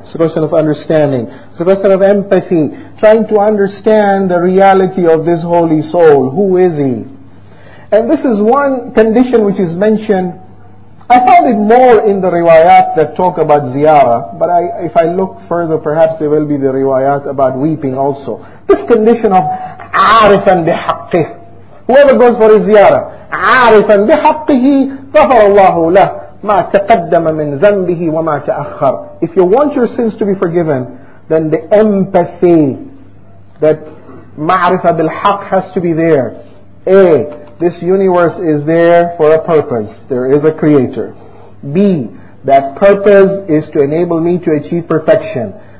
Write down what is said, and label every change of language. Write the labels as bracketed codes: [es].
[en] It's a question of understanding. It's a question of empathy. Trying to understand the reality of this holy soul. Who is he? And this is one condition which is mentioned. I found it more in the riwayat that talk about ziyara. But if I look further, perhaps there will be the riwayat about weeping also. This condition of arifan bihaqqih. Whoever goes for his ziyara, [ar] عارفاً بحقه غفر الله له ما تقدم من ذنبه وما تأخر. [en] If you want your sins to be forgiven, then the empathy, that [ar] معرفة بالحق, [en] has to be there. A, this universe is there for a purpose. There is a creator. B, that purpose is to enable me to achieve perfection.